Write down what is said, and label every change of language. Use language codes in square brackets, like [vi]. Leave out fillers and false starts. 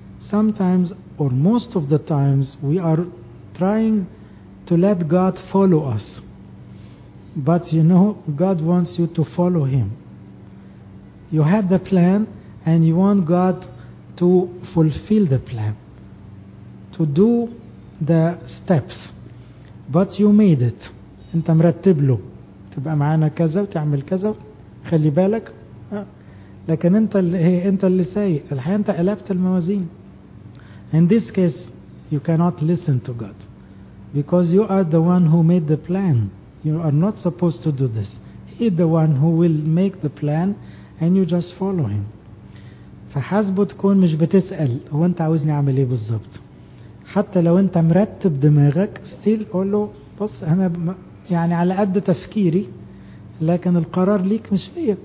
[en] Sometimes or most of the times we are trying to let God follow us but you know God wants you to follow him. You had the plan and you want God to fulfill the plan, to do the steps, but you made it. [ar] انت مرتب له تبقى معانا كذا وتعمل كذا، خلي بالك. لكن انت اللي سايق الحين، انت قلبت الموازين. [en] In this case, you cannot listen to God, because you are the one who made the plan. You are not supposed to do this. He is the one who will make the plan, and you just follow him. [ar] فحاسبه تكون مش بتسأل هو انت عاوزني اعمل ايه بالظبط. حتى لو انت مرتب دماغك ستيل قول له بص انا يعني على قد تفكيري، لكن القرار ليك مش ليا.